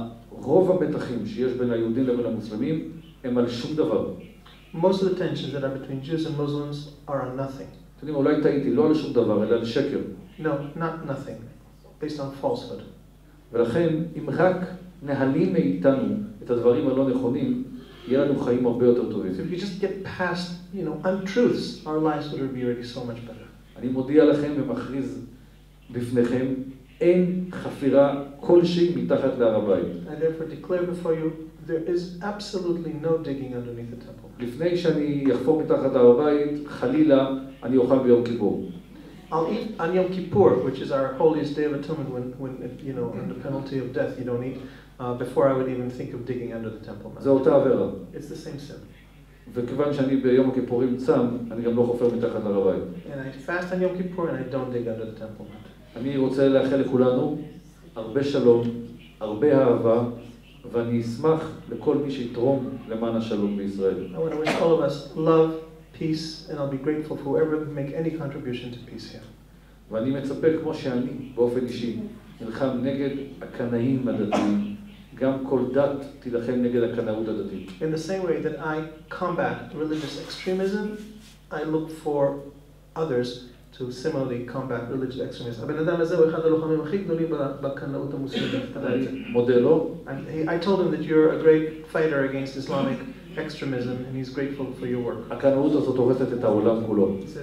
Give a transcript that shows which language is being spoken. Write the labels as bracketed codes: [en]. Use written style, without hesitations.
[he] רוב המתחים שיש בין היהודים לבין המוסלמים הם על שום דבר. [en] Most of the tensions that are between Jews and Muslims are on nothing. [he] תדעים, אולי טעיתי, לא על שום דבר, אלא על שקר. [en] No, not nothing, based on falsehood. [he] ולכן, אם רק נהלים מאיתנו את הדברים הלא נכונים, יהיה לנו חיים הרבה יותר טובים. [en] If you just get past, you know, untruths, our lives would be already so much better. [he] אני מודיע לכם ומכריז בפניכם, אין חפירה כלשהי מתחת להר הבית. [en] I therefore declare before you, There is absolutely no digging underneath the temple. [he] לפני שאני אחפור מתחת הר הבית, חלילה, אני אוכל ביום כיפור. [en] I'll eat on Yom Kippur, which is our holiest day of atonement, when you know, under penalty of death, you don't eat, before I would even think of digging under the temple mount. [he] זה אותה עבירה. [en] It's the same sin. [he] וכיוון שאני ביום הכיפורים צם, אני גם לא חופר מתחת הר הבית. [en] And I fast on Yom Kippur and I don't dig under the temple mount. [he] אני רוצה לאחל לכולנו הרבה שלום, הרבה אהבה, ואני אשמח לכל מי שיתרום למען השלום בישראל. [en] I want to wish all of us love, peace, and I'll be grateful for whoever make any contribution to peace here. [he] ואני מצפה, כמו שאני באופן אישי נלחם נגד הקנאים הדתיים, גם כל דת תילחם נגד הקנאות הדתית. [en] In the same way that I combat religious extremism, I look for others to similarly combat religious extremism. [he] הבן אדם הזה הוא אחד הלוחמים הכי גדולים בקנאות המוסלמית. מודה לו. [en] I told him that you're a great fighter against Islamic extremism and he's grateful for your work. [he] הקנאות הזאת הורסת את העולם כולו.